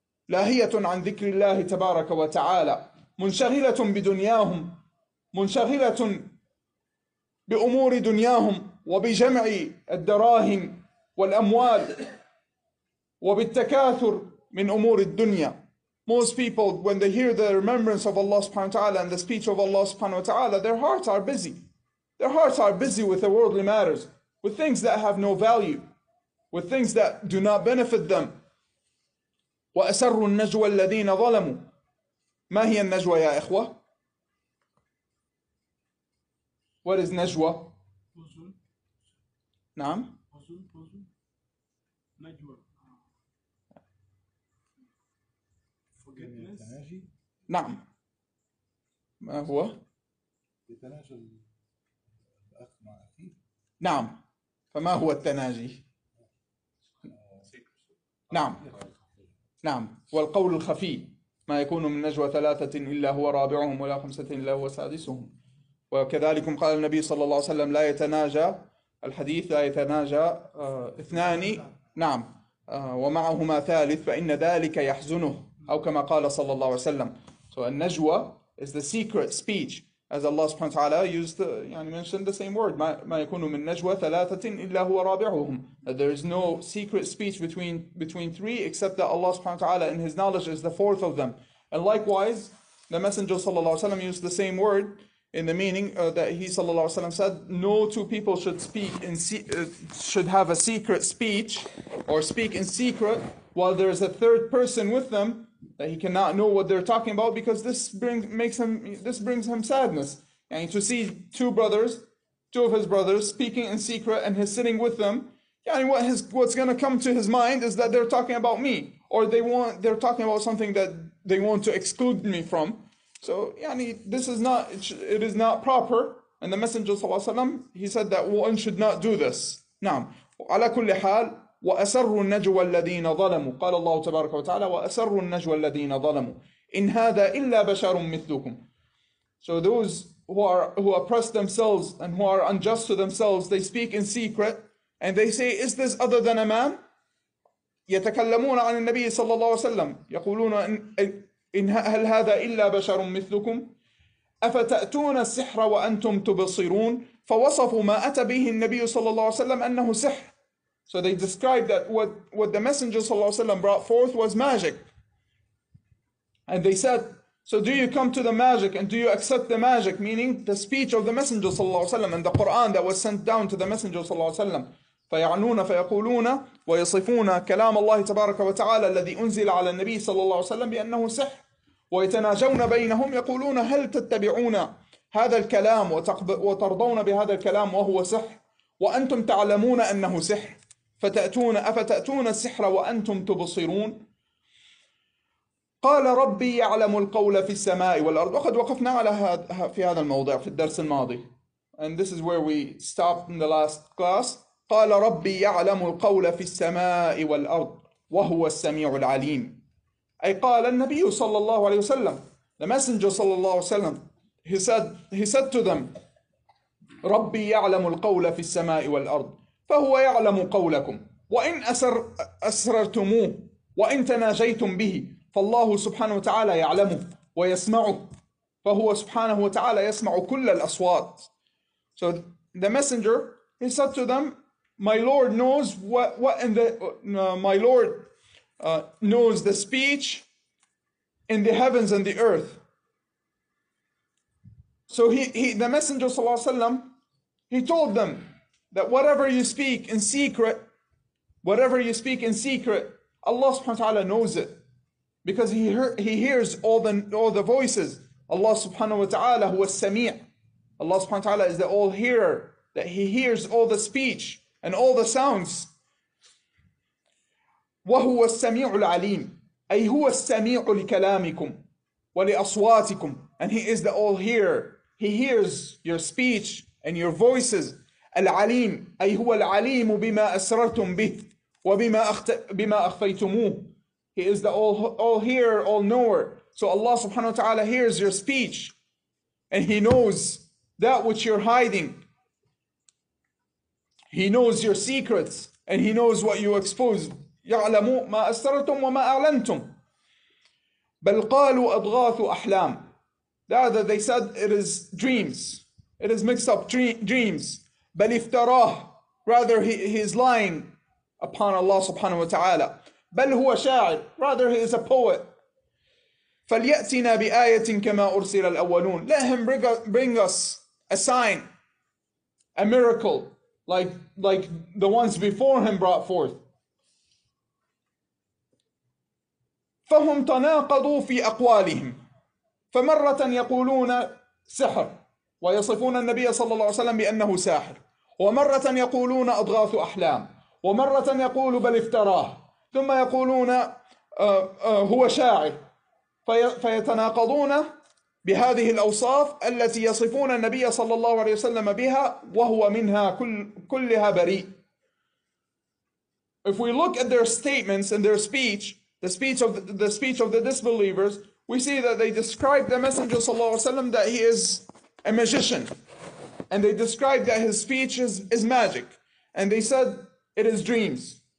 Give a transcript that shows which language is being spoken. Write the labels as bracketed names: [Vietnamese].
[Arabic] لاهية عن ذكر الله تبارك وتعالى. منشغلة بدنياهم. منشغلة بأمور دنياهم وبجمع الدراهم والأموال وبالتكاثر من أمور الدنيا. [English] Most people, when they hear the remembrance of Allah subhanahu wa ta'ala and the speech of Allah subhanahu wa ta'ala, their hearts are busy. Their hearts are busy with the worldly matters, with things that have no value, with things that do not benefit them. [Arabic] وَأَسَرُّ النَّجْوَى الَّذِينَ ظَلَمُوا. ما هي النجوى يا إخوة؟ [English] What is [Arabic] نجوى؟ حزن. نعم. حزن. نجوى. [English] Forgiveness. [Arabic] نعم. ما هو؟ التناجي. الأخ مع أخيه. نعم. فما هو التناجي؟ نعم. نعم. والقول الخفي ما يكون من نجوى ثلاثة إلا هو رابعهم ولا خمسة إلا هو سادسهم. وكذلك قال النبي صلى الله عليه وسلم لا يتناجى الحديث لا يتناجى اثنان نعم ومعهما ثالث فإن ذلك يحزنه، أو كما قال صلى الله عليه وسلم. [English] So النجوى is the secret speech, as Allah سبحانه وتعالى used to, يعني mentioned the same word. [Arabic] ما يكون من نجوى ثلاثة إلا هو رابعهم. [English] There is no secret speech between three except that Allah سبحانه وتعالى in His knowledge is the fourth of them. And likewise, the Messenger صلى الله عليه وسلم used the same word in the meaning that he صلى الله عليه وسلم said no two people should speak in should have a secret speech or speak in secret while there is a third person with them that he cannot know what they're talking about because this brings him sadness. And to see two of his brothers speaking in secret and he's sitting with them, yeah, and what's going to come to his mind is that they're talking about me, or they're talking about something that they want to exclude me from. So yani this is not it is not proper, and the Messenger صلى الله عليه وسلم he said that one should not do this. [Arabic] نعم على كل حال وأسر النجوى الذين ظلموا قال الله تبارك وتعالى وأسر النجوى الذين ظلموا إن هذا إلا بشر مثلكم. [English] So those who oppress themselves and who are unjust to themselves, they speak in secret and they say, is this other than a man? [Arabic] يتكلمون عن النبي صلى الله عليه وسلم يقولون إن هل هذا إلا بشر مثلكم أفتأتون السحر وأنتم تبصرون فوصفوا ما أتى به النبي صلى الله عليه وسلم أنه سحر. [English] So they described that what the Messenger صلى الله عليه وسلم brought forth was magic. And they said, so do you come to the magic and do you accept the magic, meaning the speech of the Messenger صلى الله عليه وسلم and the Quran that was sent down to the Messenger صلى الله عليه وسلم. [Arabic] فيعنون فيقولون ويصفون كلام الله تبارك وتعالى الذي أنزل على النبي صلى الله عليه وسلم بأنه سحر ويتناجون بينهم يقولون هل تتبعون هذا الكلام وترضون بهذا الكلام وهو سحر وأنتم تعلمون أنه سحر فتأتون أفتأتون السحر وأنتم تبصرون قال ربي يعلم القول في السماء والأرض. وقد وقفنا على هذا في هذا الموضع في الدرس الماضي. [English] And this is where we stopped in the last class. [Arabic] قال ربي يعلم القول في السماء والأرض وهو السميع العليم. أي قال النبي صلى الله عليه وسلم, [English] the messenger [Arabic] صلى الله عليه وسلم, [English] he said to them, [Arabic] ربي يعلم القول في السماء والأرض فهو يعلم قولكم وإن أسررتموه وإن تناجيتم به فالله سبحانه وتعالى يعلمه ويسمعه فهو سبحانه وتعالى يسمع كل الأصوات. [English] So the messenger, he said to them, my Lord knows what in the my Lord knows the speech in the heavens and the earth. So he the Messenger صلى الله عليه وسلم, he told them that whatever you speak in secret, Allah سبحانه وتعالى knows it, because he hears all the voices. [Arabic] Allah سبحانه وتعالى هو السميع. [English] Allah سبحانه وتعالى is the all hearer, that he hears all the speech and all the sounds. [Arabic] وهو السميع العليم أي هو السميع لكلامكم ولأصواتكم. [English] And he is the all hearer, he hears your speech and your voices. [Arabic] العليم أي هو العليم بما أسررتم به وبما بما أخفيتموه. [English] He is the all hearer, all knower. So Allah subhanahu wa ta'ala hears your speech and he knows that which you're hiding. He knows your secrets and he knows what you exposed. [Arabic] يعلم ما أسررتم وما أعلنتم. بل قالوا أضغاث أحلام. [English] That they said it is dreams. It is mixed up dreams. [Arabic] بل افتراه. [English] Rather he is lying upon Allah subhanahu wa ta'ala. [Arabic] بل هو شاعر. [English] Rather he is a poet. [Arabic] فليأتنا بآية كما أرسل الأولون. [English] Let him bring us a sign, a miracle, like the ones before him brought forth. [Arabic] فهم تناقضوا في أقوالهم. فمرة يقولون سحر ويصفون النبي صلى الله عليه وسلم بأنه ساحر, ومرة يقولون أضغاث أحلام, ومرة يقول بل افتراه, ثم يقولون هو شاعر. فيتناقضون بهذه الأوصاف التي يصفون النبي صلى الله عليه وسلم بها وهو منها كلها بريء. [English] If we look at their statements and their speech, the speech of the disbelievers, we see that they describe the Messenger صلى الله عليه وسلم that he is a magician, and they describe that his speech is magic, and they said it is dreams.